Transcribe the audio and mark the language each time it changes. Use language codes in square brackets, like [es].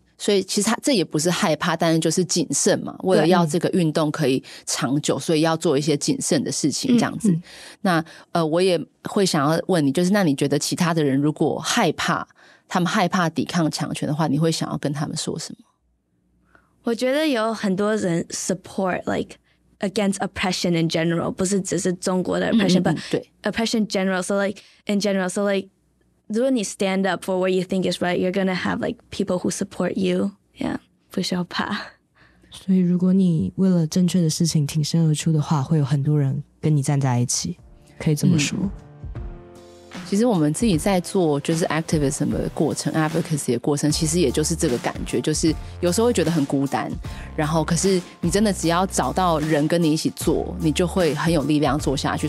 [zh] 所以其实他这也不是害怕，但是就是谨慎嘛，为了要这个运动可以长久，所以要做一些谨慎的事情这样子。那我也会想要问你，就是那你觉得其他的人如果害怕，他们害怕抵抗强权的话，你会想要跟他们说什么？我觉得有很多人 [en] support like against oppression in general， [zh] 不是只是中国的 [en] oppression， but oppression general， so like in general， so like [zh] 如果你 [en] stand up for what you think is right， you're gonna have like people who support you， yeah， [zh] 不需要怕。所以如果你为了正确的事情挺身而出的话，会有很多人跟你站在一起，可以这么说。其实我们自己在做就是 activism 的过程 advocacy 的过程，其实也就是这个感觉，就是有时候会觉得很孤单，然后可是你真的只要找到人跟你一起做，你就会很有力量做下去。